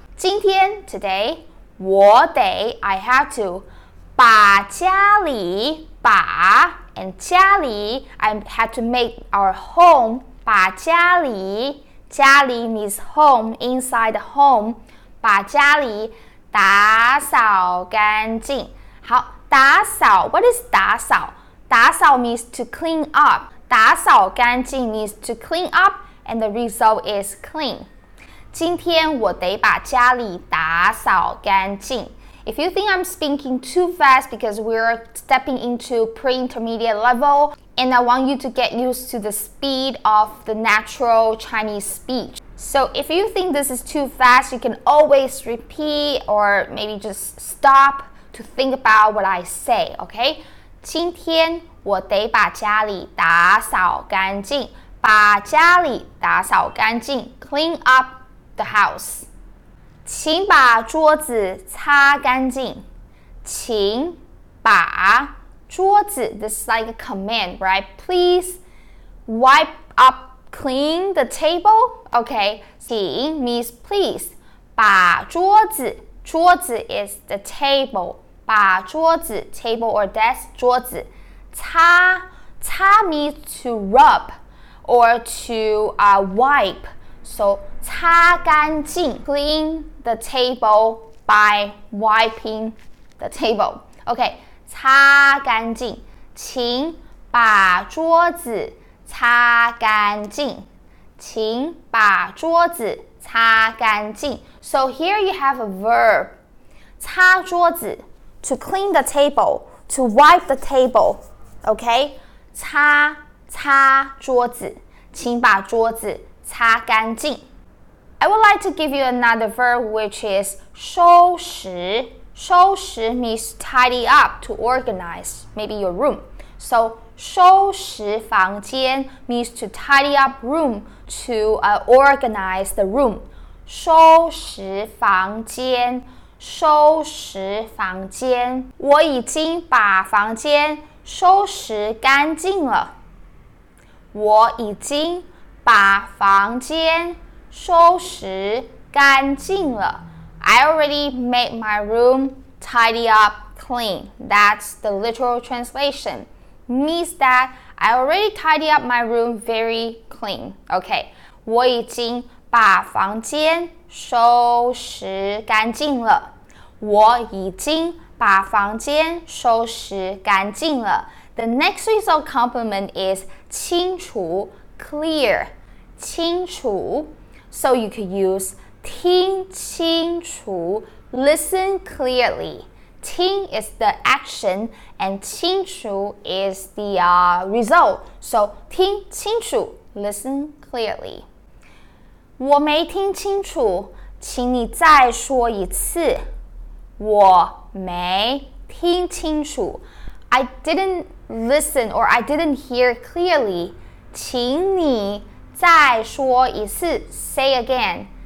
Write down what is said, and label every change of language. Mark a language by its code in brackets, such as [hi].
[zh] 今天 [en] today, [zh] 我得 [en] I have to [zh] 把家里把 [en] and [zh] 家里 [en] I have to make our home [zh] 把家里家里 [en] means home, inside the home. [zh] 把家里打扫干净。 [en] 好，打扫 what is 打扫？打扫 means to clean up. [zh] 打扫干净 [en] means to clean up, and the result is clean. [zh] 今天我得把家里打扫干净。 [en] If you think I'm speaking too fast because we're stepping into pre-intermediate level,And I want you to get used to the speed of the natural Chinese speech. So if you think this is too fast, you can always repeat or maybe just stop to think about what I say, okay? [zh] 今天我得把家里打扫干净。把家里打扫干净。 [en] Clean up the house. [zh] 请把桌子擦干净。请把桌子 [en] this is like a command, right? Please wipe up, clean the table. Okay, 请 means please. [zh] 把桌子桌子 [en] is the table. [zh] 把桌子 [en] table or desk, [zh] 桌子擦擦 [en] means to rub or to wipe. So [zh] 擦干净 [en] clean the table by wiping the table. Okay. [zh] 擦干净，请把桌子擦干净，请把桌子擦干净。 [en] So here you have a verb, [zh] 擦桌子 [en] to clean the table, to wipe the table, okay? [zh] 擦擦桌子，请把桌子擦干净。 [en] I would like to give you another verb, which is 收拾。收拾 means tidy up, to organize, maybe your room. So, [zh] 收拾房间 [en] means to tidy up room, to organize the room. [zh] 收拾房间,收拾房间。我已经把房间收拾干净了。我已经把房间收拾干净了。 [en] I already made my room tidy up clean. That's the literal translation. Means that I already tidy up my room very clean. Okay. [zh] 我已经把房间收拾干净了。我已经把房间收拾干净了。 [en] The next piece of compliment is 清楚 clear, 清楚 So you could use [zh] 听清楚 [en] listen clearly. 听 is the action and 清楚 is the result. So [zh] 听清楚 [en] listen clearly. [zh] 我没听清楚，请你再说一次。我没听清楚。 [en] I didn't listen or I didn't hear clearly. [zh] 请你再说一次。 [en] Say again.